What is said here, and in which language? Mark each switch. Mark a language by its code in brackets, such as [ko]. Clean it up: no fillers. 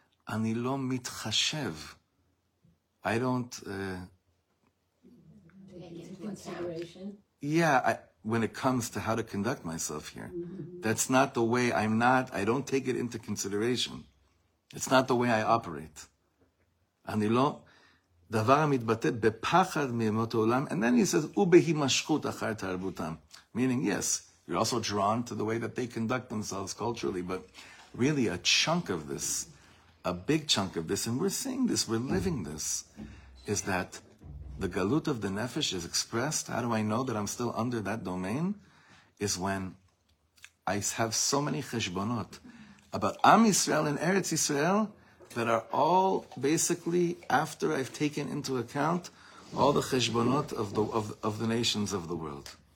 [he] אני לא מתחשב. [en] I don't consideration. When it comes to how to conduct myself here, mm-hmm. that's not the way I'm not, I don't take it into consideration. It's not the way I operate. [he] אני לא דבר המתבטא בפחד מימות העולם, [en] and then he says, [he] ובהימשכות אחר תרבותם. [en] Meaning, yes, you're also drawn to the way that they conduct themselves culturally, but really a chunk of this, a big chunk of this, and we're seeing this, we're living this, is that the galut of the nefesh is expressed, how do I know that I'm still under that domain, is when I have so many cheshbonot about Am Yisrael and Eretz Yisrael, that are all basically after I've taken into account all the cheshbonot of the nations of the world.